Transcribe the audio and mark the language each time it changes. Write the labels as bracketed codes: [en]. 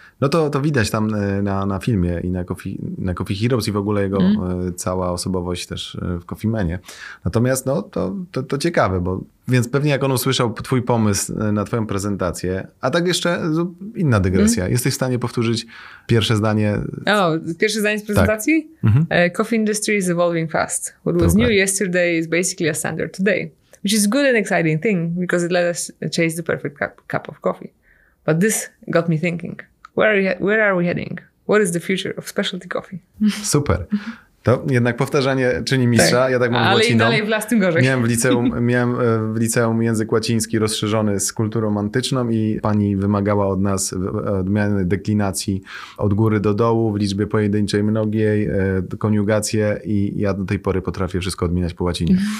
[pl] No to widać tam na filmie i na Coffee Heroes i w ogóle jego cała osobowość też w Coffee Manie. Natomiast no, to ciekawe, bo więc pewnie jak on usłyszał twój pomysł na twoją prezentację, a tak jeszcze inna dygresja. Jesteś w stanie powtórzyć pierwsze zdanie? Pierwsze zdanie z prezentacji? Tak. [en] Coffee industry is evolving fast. What was new yesterday is basically a standard today. Which is good and exciting thing because it let us chase the perfect cup of coffee. But this got me thinking. Where are we heading? What is the future of specialty coffee? [pl] Super. To jednak powtarzanie czyni mistrza. Tak. Ja tak mam ale łaciną. Ale i dalej w las tym gorzej. Miałem w liceum język łaciński rozszerzony z kulturą antyczną i pani wymagała od nas odmiany deklinacji od góry do dołu w liczbie pojedynczej mnogiej, koniugację i ja do tej pory potrafię wszystko odmieniać po łacinie.